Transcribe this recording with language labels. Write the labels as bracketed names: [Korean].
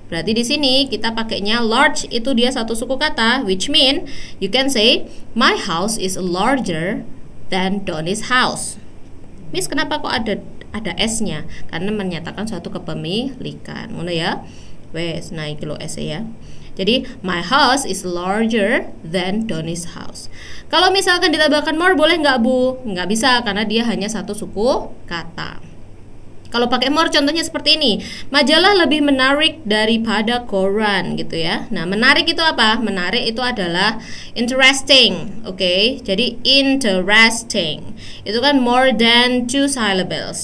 [Indonesian] Berarti di sini kita pakainya large, itu dia satu suku kata, [English] which mean you can say my house is larger than Doni's house. [Indonesian] Miss, kenapa kok ada S-nya? Karena menyatakan suatu kepemilikan. [Javanese] Ngono ya. Wes, naik lo S ya. [English] Jadi my house is larger than Doni's house. [Indonesian] Kalau misalkan ditambahkan more, boleh nggak Bu? Nggak bisa, karena dia hanya satu suku kata. Kalau pakai more, contohnya seperti ini. Majalah lebih menarik daripada koran, gitu ya. Nah, menarik itu apa? Menarik itu adalah interesting, okay? [English] Jadi interesting itu kan more than two syllables.